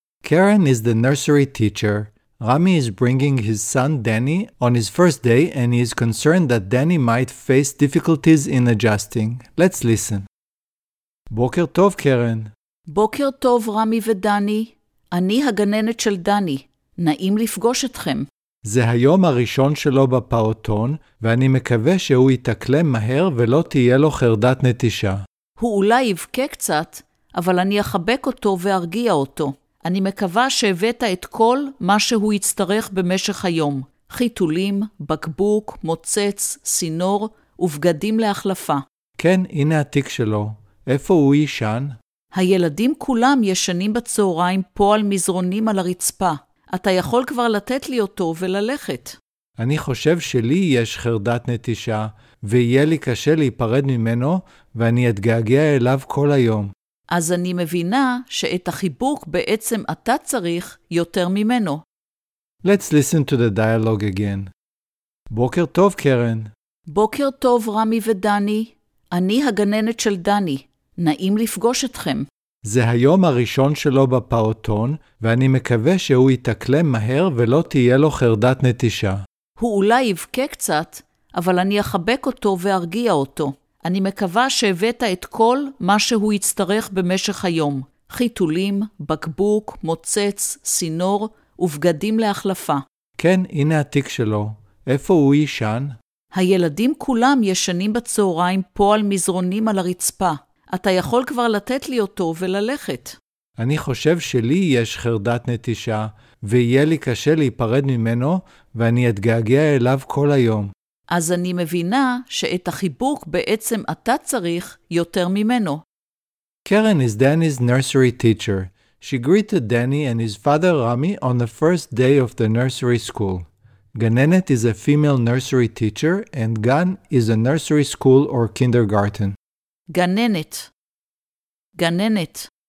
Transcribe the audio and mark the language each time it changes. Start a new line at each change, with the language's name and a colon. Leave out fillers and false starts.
English: Karen is the nursery teacher. Rami is bringing his son Danny on his first day and he is concerned that Danny might face difficulties in adjusting. Let's listen.
Hebrew: Boker tov,
English: Karen.
Hebrew: Boker tov, Rami ודני. אני הגננת של דני. נעים לפגוש אתכם. זה היום הראשון שלו בפעוטון ואני מקווה שהוא יתאקלם מהר ולא תהיה לו חרדת נטישה. הוא אולי יבכה קצת, אבל אני אחבק אותו וארגיע אותו. אני מקווה שהבאת את כל מה שהוא יצטרך במשך היום. חיתולים, בקבוק, מוצץ, סינור ובגדים להחלפה. כן, הנה התיק שלו. איפה הוא ישן? הילדים כולם ישנים בצהריים פה על מזרונים על הרצפה. אתה יכול כבר לתת לי אותו וללכת. אני חושב שלי יש חרדת נטישה, ויהיה לי קשה להיפרד ממנו, ואני אתגעגע אליו כל היום. אז אני מבינה שאת החיבוק בעצם אתה צריך יותר ממנו.
English: Let's listen to the dialogue again.
Hebrew: בוקר טוב, קרן. בוקר טוב, רמי ודני. אני הגננת של דני. נעים לפגוש אתכם. זה היום הראשון שלו בפעוטון, ואני מקווה שהוא יתאקלם מהר ולא תהיה לו חרדת נטישה. הוא אולי יבכה קצת, אבל אני אחבק אותו וארגיע אותו. אני מקווה שהבאת את כל מה שהוא יצטרך במשך היום. חיתולים, בקבוק, מוצץ, סינור ובגדים להחלפה. כן, הנה התיק שלו. איפה הוא ישן? הילדים כולם ישנים בצהריים פה על מזרונים על הרצפה. אתה יכול כבר לתת לי אותו וללכת. אני חושב שלי יש חרדת נטישה, ויהיה לי קשה להיפרד ממנו, ואני אתגעגע אליו כל היום. אז אני מבינה שאת החיבוק בעצם אתה צריך יותר ממנו.
English: Karen is Danny's nursery teacher. She greeted Danny and his father Rami on the first day of the nursery school. Gananet is a female nursery teacher and Gan is a nursery school or kindergarten.
Hebrew: גננת. גננת.